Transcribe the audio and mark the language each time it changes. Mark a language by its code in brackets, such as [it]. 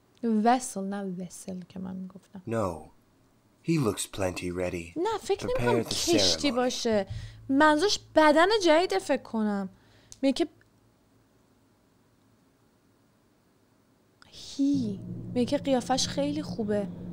[en] Vessel, not vessel, [fa] که من میگفتم. [en] No, he looks plenty ready. [fa] نه، فکر نمیکنم کشتی باشه. منظورش بدن جدید فکر کنم. میگه هی، میگه قیافش خیلی خوبه.